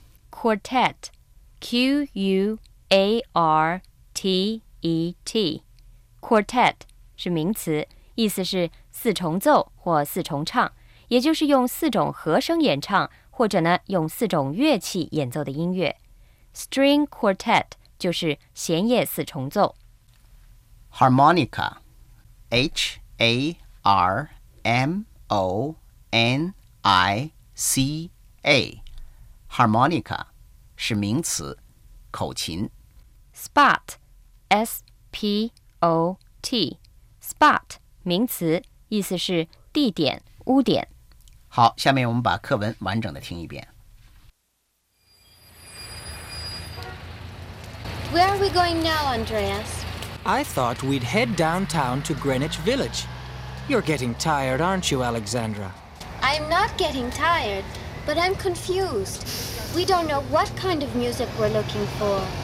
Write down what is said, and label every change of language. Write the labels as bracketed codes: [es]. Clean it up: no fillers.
[zh] Quartet， Q-U-A-R-T-E-T， Quartet 是名词，意思是四重奏或四重唱，也就是用四种和声演唱，或者呢用四种乐器演奏的音乐。 String Quartet就是弦乐四重奏。 Harmonica， H-A-R-M-O-N-I-C-A， Harmonica 是名词，口琴。 Spot， S-P-O-T， Spot 名词，意思是地点、屋点。好，下面我们把课文完整的听一遍。 [en] Where are we going now, Andreas? I thought we'd head downtown to Greenwich Village. You're getting tired, aren't you, Alexandra? I'm not getting tired, but I'm confused. We don't know what kind of music we're looking for.